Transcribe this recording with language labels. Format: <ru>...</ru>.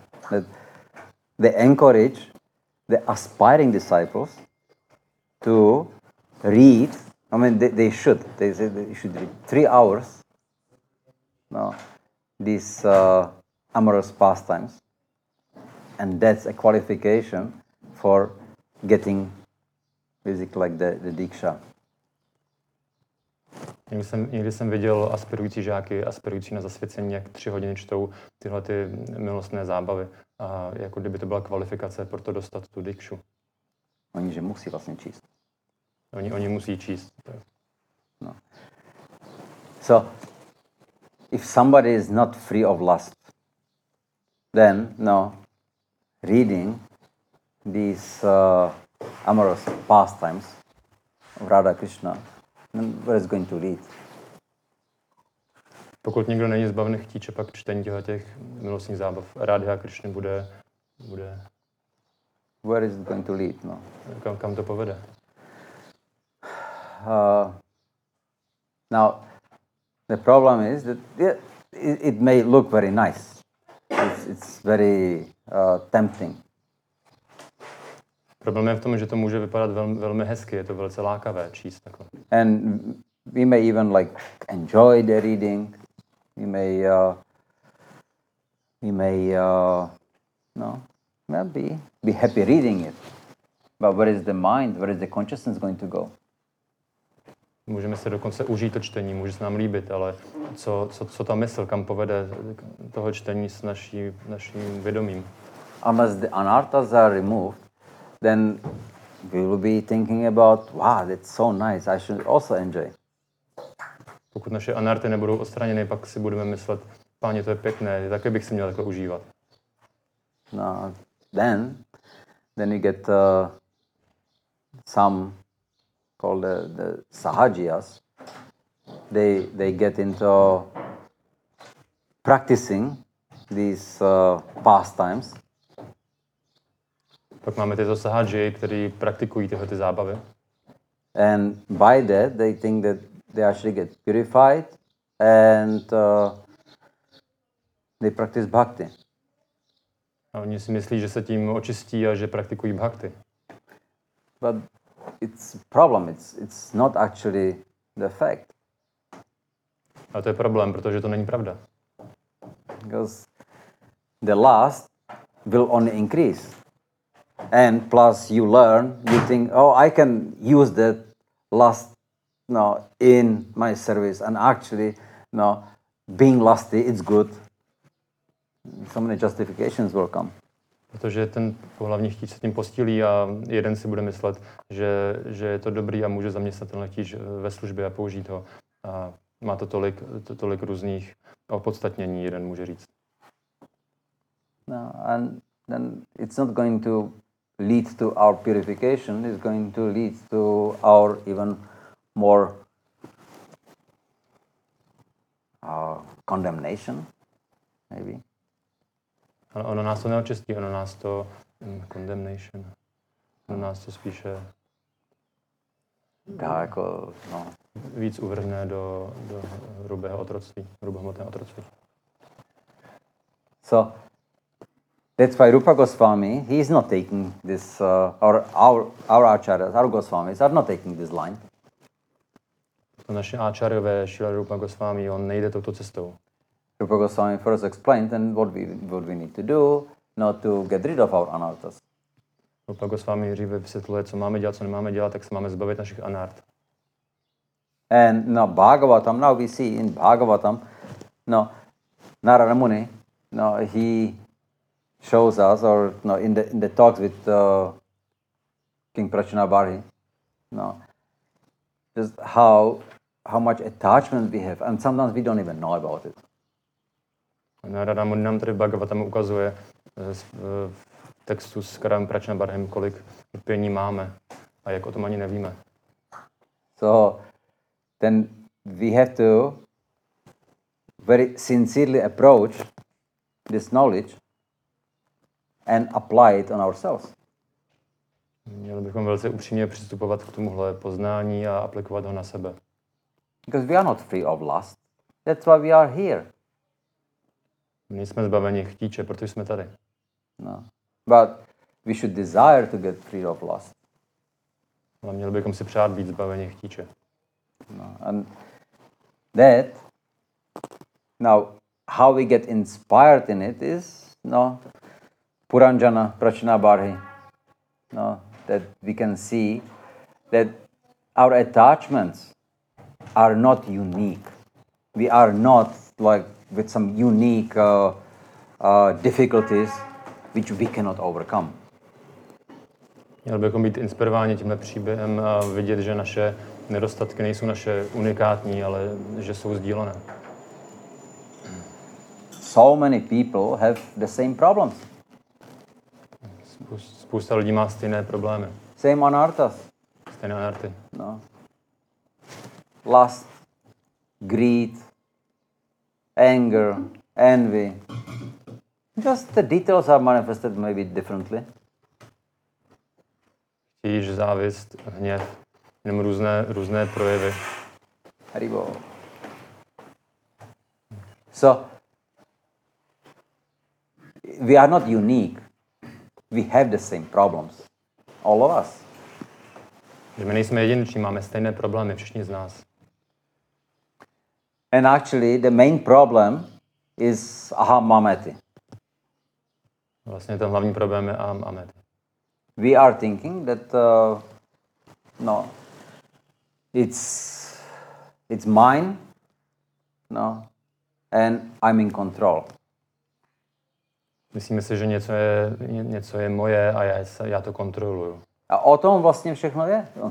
<en>That they encourage the aspiring disciples to read. I mean, they should. They say they should read 3 hours. No, these amorous pastimes, and that's a qualification for getting basically like the diksha.</en> <cs>Někdy jsem viděl aspirující žáky, aspirující na zasvěcení, jak 3 hodiny čtou tyhle ty milostné zábavy. A jako kdyby to byla kvalifikace pro to dostat tu dikšu. Oni že musí vlastně číst. Oni musí číst. No.</cs> <en>So, if somebody is not free of lust, then, no, reading these amorous pastimes of Radha Krishna, where is going to lead?</en> <cs>Pokud někdo není zbaven chtíče, pak čtení těch milostných zábav Radha Krishna bude.</cs> <en>Where is it going to lead? No.</en> <cs>Kam to povede?</cs> <en>Now the problem is that it may look very nice. It's very tempting.</en> <cs>Problém je v tom, že to může vypadat velmi hezky, je to velice lákavé číst takhle.</cs> <en>And we may even like enjoy the reading. We may be happy reading it. But where is the mind? Where is the consciousness going to go?</en> <cs>Můžeme se dokonce užít to čtení, může se nám líbit, ale co ta mysl, kam povede toho čtení s naším vědomím?</cs> <en>Unless the anarthas are removed, then we will be thinking about, wow, that's so nice, I should also enjoy.</en> <cs>Pokud naše anarty nebudou odstraněny, pak si budeme myslet, páně, to je pěkné, také bych si měl takhle užívat.</cs> <en>No, then you get some called the sahajiyas. They get into practicing these pastimes.</en> <cs>Pak máme tyto sahaji, kteří praktikují tyhle ty zábavy.</cs> <en>And by that they think that they actually get purified and they practice bhakti.</en> <cs>A oni si myslí, že se tím očistí a že praktikují bhakti.</cs> <en>But it's problem, it's not actually the fact.</en> <cs>A to je problém, protože to není pravda.</cs> <en>Because the lust will only increase. And plus you learn, you think, oh, I can use that lust, no, in my service. And actually, no, being lusty, it's good. So many justifications will come.</en> <cs>Protože ten hlavní chtíč se tím postílí a jeden si bude myslet, že je to dobrý a může zaměstnat ten chtíč ve službě a použít ho. A má to tolik různých opodstatnění, jeden může říct.</cs> <en>No, and then it's not going to lead to our purification, is going to lead to our even more condemnation, maybe.</en> <cs>Ono nás to neočistí, ono nás to</cs> <en>condemnation.</en> <cs>Ono nás to spíše dá jako, no. Víc uvrhne do hrubého otroctví, hrubohmotného otroctví.</cs> <en>So, that's why Rupa Goswami, he is not taking this, our acharyas, our Goswamis are not taking this line.</en> <cs>To naše acharyové, Srila Rupa Goswami, on nejde touto cestou.</cs> <en>Rupa Goswami first explained and what we need to do, not to get rid of our anarthas.</en> <cs>Rupa Goswami dříve vysvětluje, co máme dělat, co nemáme dělat, tak se máme zbavit našich anart.</cs> <en>And now Bhagavatam, now we see in Bhagavatam, no, Narada Muni, no, he shows us, or no, in the talks with King Prachinabari, no, just how much attachment we have, and sometimes we don't even know about it.</en> <cs>Narada Muni nám tady Bhagavatam ukazuje v textu s Karam Prachnabarhem, kolik pění máme a jak o tom ani nevíme.</cs> <en>So then we have to very sincerely approach this knowledge and apply it on ourselves.</en> <cs>Měli bychom velice upřímně přistupovat k tomuhle poznání a aplikovat ho na sebe.</cs> <en>Because we are not free of lust. That's why we are here.</en> <cs>My nejsme zbaveni chtíče, proto jsme tady. No.</cs> <en>But we should desire to get free of lust.</en> <cs>Ale měli bychom si přát být zbaveni chtíče. No.</cs> <en>And that now how we get inspired in it is no Puranjana Prachnabarhi. No, that we can see that our attachments are not unique. We are not like with some unique difficulties which we cannot overcome.</en> <cs>Měli bychom být inspirováni tímhle příběhem a vidět, že naše nedostatky nejsou naše unikátní, ale že jsou sdílené.</cs> <en>So many people have the same problems.</en> <cs>Spousta lidí má stejné problémy.</cs> <en>Same anartas.</en> <cs>Stejné anarty.</cs> <en>No. Lust, greed, anger, envy. Just the details are manifested maybe differently.</en> <cs>Chtíž, závist, hněv, jenom různé projevy. Haribo.</cs> <en>So, we are not unique. We have the same problems. All of us.</en> <cs>Že my nejsme jedineční, máme stejné problémy, všichni z nás.</cs> <en>And actually, the main problem is ahamamati.</en> <cs>Vlastně ten hlavní problém je ahamamati.</cs> <en>We are thinking that no, it's mine, no, and I'm in control.</en> <cs>Myslíme si, že něco je moje a já to kontroluju. A o tom vlastně všechno je.</cs>